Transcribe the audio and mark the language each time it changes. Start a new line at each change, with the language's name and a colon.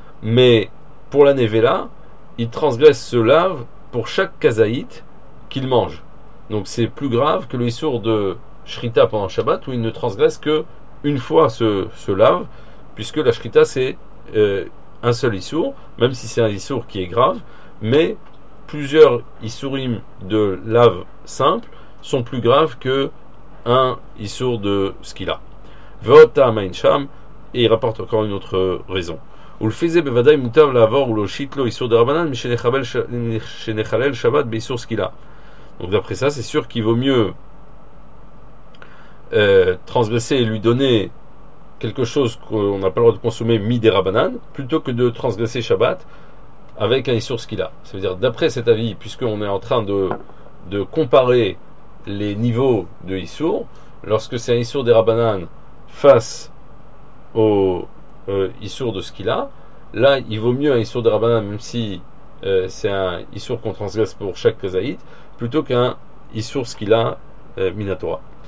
French: Mais pour la Nevela, il transgresse ce lave pour chaque kazaït qu'il mange, donc c'est plus grave que le issour de Shrita pendant Shabbat où il ne transgresse que une fois ce lave, puisque la Shrita c'est un seul issour, même si c'est un issour qui est grave, mais plusieurs issourim de lave simple sont plus graves que un issour de ce qu'il a. Vota Maincham, et il rapporte encore une autre raison.
Hebrew: ולפי זה בוודאי מוטב לעבור ולהושיט לו איסור דרבנן משנחלל שבת באיסור סקילה.
French: Donc d'après ça, c'est sûr qu'il vaut mieux transgresser et lui donner quelque chose qu'on n'a pas le droit de consommer, midérabanan, plutôt que de transgresser Shabbat avec un issur skila. C'est-à-dire, d'après cet avis, puisqu'on est en train de comparer les niveaux de issur, lorsque c'est un issur dérabanan face au issur de skila, là, il vaut mieux un issur dérabanan, même si c'est un issur qu'on transgresse pour chaque kazaït, plutôt qu'un issur skila minatora.